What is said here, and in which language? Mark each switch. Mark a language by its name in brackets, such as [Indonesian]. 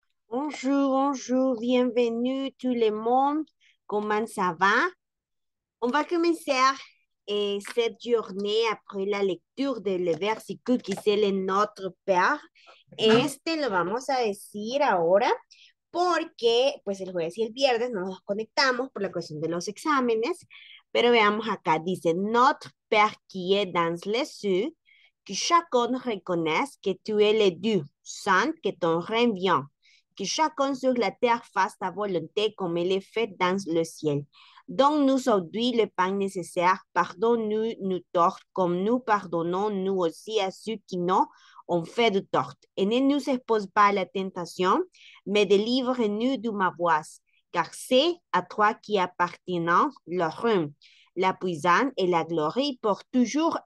[French] Bonjour, bienvenue tout le monde. Comment ça va? On va commencer cette journée après la lecture de le versículo qui c'est le Notre Père. [Spanish] Este lo vamos a decir ahora porque pues el jueves y el viernes no nos conectamos por la cuestión de los exámenes, pero veamos acá, dice [French] Notre Père qui est dans les cieux, que chacun reconnaisse que tu es le Dieu, saint que ton règne vient. Que chacun sur la terre fasse ta volonté comme elle est faite dans le ciel. Donne-nous aujourd'hui le pain nécessaire. Pardonne-nous nos torts, comme nous pardonnons nous aussi à ceux qui nous ont fait de tort. Et ne nous expose pas à la tentation, mais délivre-nous du mauvais, car c'est à toi qui appartient le règne, la puissance et la gloire pour toujours.